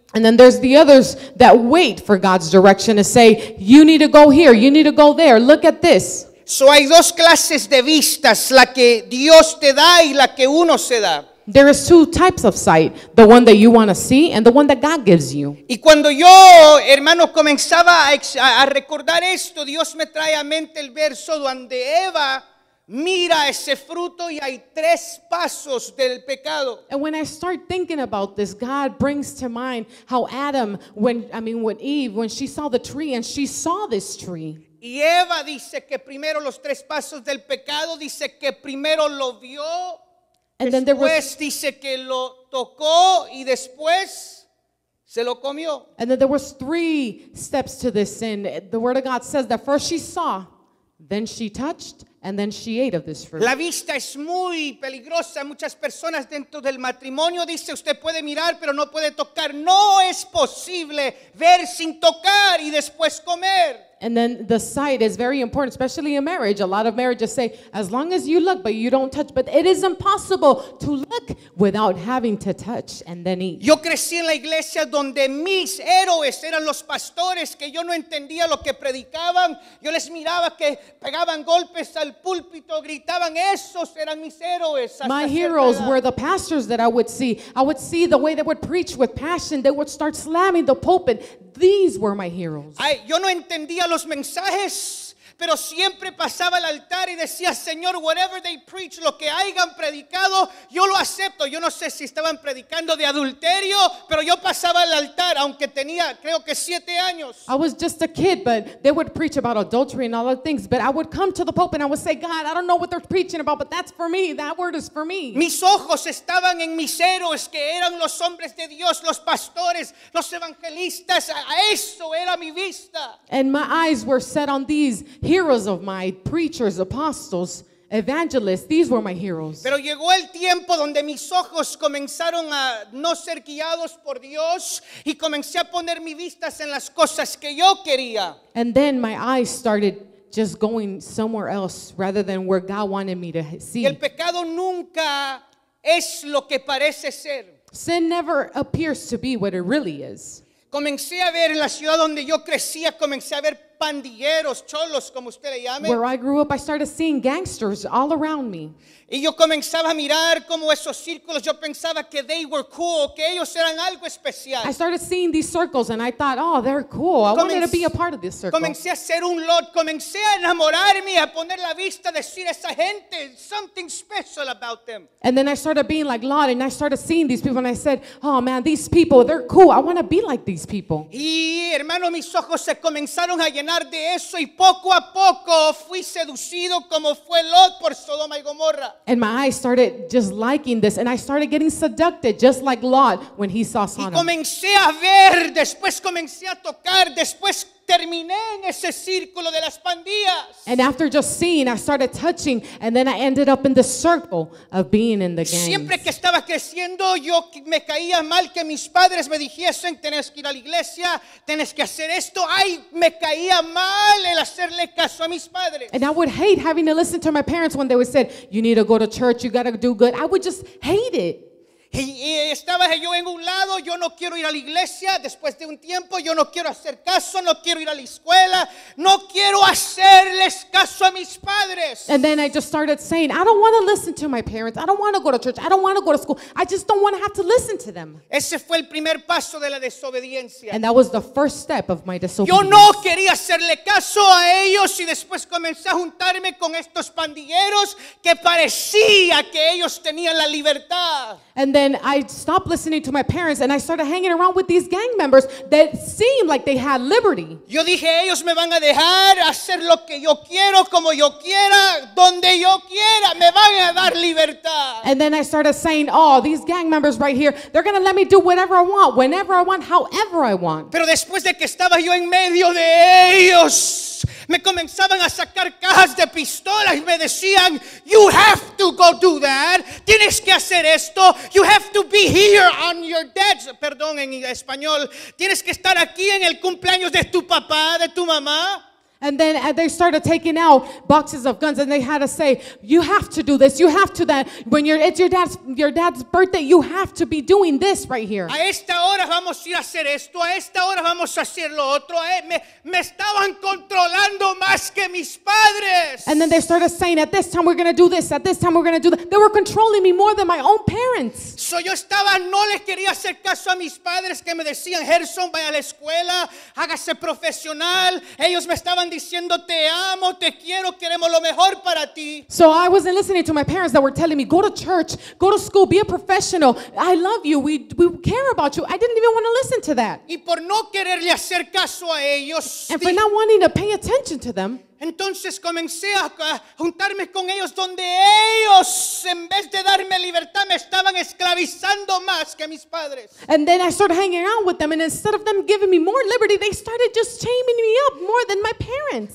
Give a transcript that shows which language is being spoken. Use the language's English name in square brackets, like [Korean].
[English] And then there's the others that wait for God's direction to say, you need to go here, you need to go there, look at this. [Spanish] So hay dos clases de vistas, la que Dios te da y la que uno se da. [English] There is two types of sight, the one that you want to see and the one that God gives you. [Spanish] Y cuando yo, hermanos, comenzaba a recordar esto, Dios me trae a mente el verso donde Eva mira ese fruto y hay tres pasos del pecado. [English] And when I start thinking about this, God brings to mind how Adam, when Eve, when she saw the tree and she saw this tree. [Spanish] Y Eva dice que primero los tres pasos del pecado, dice que primero lo vio. [English] And then there was, [Spanish] dice que lo tocó y después se lo comió. [English] And then there was three steps to this sin. The word of God says that first she saw, then she touched, and then she ate of this fruit. [Spanish] La vista es muy peligrosa. Muchas personas dentro del matrimonio dice usted puede mirar pero no puede tocar. No es posible ver sin tocar y después comer. [English] And then the sight is very important, especially in marriage. A lot of marriages say, as long as you look, but you don't touch. But it is impossible to look without having to touch and then eat. [Spanish] Yo crecí en la iglesia donde mis héroes eran los pastores, que yo no entendía lo que predicaban. Yo les miraba que pegaban golpes al púlpito, gritaban, esos eran mis héroes. [English] My heroes were the pastors that I would see. I would see the way they would preach with passion. They would start slamming the pulpit. These were my heroes. [Spanish] Yo no entendía los mensajes, pero siempre pasaba al altar y decía, Señor, [English] whatever they preach, [Spanish] lo que hayan predicado, yo lo acepto. Yo no sé si estaban predicando de adulterio, pero yo pasaba al altar, aunque tenía, creo que 7 años. [English] I was just a kid, but they would preach about adultery and all other things, but I would come to the Pope and I would say, God, I don't know what they're preaching about, but that's for me. That word is for me. [Spanish] Mis ojos estaban en mis héroes, que eran los hombres de Dios, los pastores, los evangelistas. A eso era mi vista. [English] And my eyes were set on these heroes of my preachers, apostles, evangelists. These were my heroes. [Spanish] Pero llegó el tiempo donde mis ojos comenzaron a no ser guiados por Dios y comencé a poner mis vistas en las cosas que yo quería. [English] And then my eyes started just going somewhere else rather than where God wanted me to see. [Spanish] Y el pecado nunca es lo que parece ser. [English] Sin never appears to be what it really is. [Spanish] Comencé a ver en la ciudad donde yo crecía, comencé a ver pandilleros, cholos, como usted le llame. [English] Where I grew up, I started seeing gangsters all around me. [Spanish] Y yo comenzaba a mirar como esos círculos, yo pensaba que [English] they were cool, [Spanish] que ellos eran algo especial. [English] I started seeing these circles and I thought, oh, they're cool. I wanted to be a part of this circle. [Spanish] Comencé a ser un lot, comencé a enamorarme, a poner la vista, decir esa gente, [English] something special about them. And then I started being like Lot and I started seeing these people and I said, oh man, these people, they're cool. I want to be like these people. [Spanish] Y hermano, mis ojos se comenzaron a llenar de eso y poco a poco fui seducido como fue Lot por Sodoma y Gomorra. [English] And my eyes started just liking this and I started getting seducted just like Lot when he saw Sodom. [Spanish] Y comencé a ver, después comencé a tocar, después terminé en ese círculo de las pandillas. [English] And after just seeing, I started touching and then I ended up in the circle of being in the gangs. [Spanish] Siempre que estaba creciendo, yo me caía mal que mis padres me dijesen, tienes que ir a la iglesia, tienes que hacer esto. Ay, me caía mal el hacerle caso a mis padres. [English] And I would hate having to listen to my parents when they would say, you need to go to church, you got to do good. I would just hate it. [Spanish] Y estaba yo en un lado, yo no quiero ir a la iglesia después de un tiempo, yo no quiero hacer caso, no quiero ir a la escuela, no quiero hacerles caso a mis padres. [English] And then I just started saying, I don't want to listen to my parents, I don't want to go to church, I don't want to go to school, I just don't want to have to listen to them. [Spanish] Ese fue el primer paso de la desobediencia. [English] And that was the first step of my disobedience. [Spanish] Yo no quería hacerle caso a ellos y después comencé a juntarme con estos pandilleros que parecía que ellos tenían la libertad. [English] And then I stopped listening to my parents and I started hanging around with these gang members that seemed like they had liberty. [Spanish] Yo dije, ellos me van a dejar hacer lo que yo quiero, como yo quiera, donde yo quiera, me van a dar libertad. [English] And then I started saying, oh, these gang members right here, they're going to let me do whatever I want, whenever I want, however I want. [Spanish] Pero después de que estaba yo en medio de ellos, me comenzaban a sacar cajas de pistolas y me decían, [English] you have to go do that, [Spanish] tienes que hacer esto, [English] you have to be here on your dad's, [Spanish] perdón en español, tienes que estar aquí en el cumpleaños de tu papá, de tu mamá. [English] And then they started taking out boxes of guns, and they had to say, "You have to do this. You have to that. When you're, it's your dad's birthday, you have to be doing this right here." [Spanish] A esta hora vamos a hacer esto. A esta hora vamos a hacer lo otro. Me estaban controlando más que mis padres. [English] And then they started saying, "At this time we're going to do this. At this time we're going to do that." They were controlling me more than my own parents. [Spanish] So yo estaba, no les quería hacer caso a mis padres que me decían, "Gerson, vaya a la escuela, hágase profesional." Ellos me estaban diciendo, "Te amo, te quiero, queremos lo mejor para ti." [English] So I wasn't listening to my parents that were telling me, "Go to church, go to school, be a professional. I love you. We care about you." I didn't even want to listen to that. [Spanish] Y por no quererle hacer caso a ellos, [English] and for not wanting to pay attention to them, [Spanish] entonces comencé a juntarme con ellos, donde ellos, en vez de darme libertad, me estaban esclavizando más que mis padres. [English] And then I started hanging out with them, and instead of them giving me more liberty, they started just chaining me up more than my parents.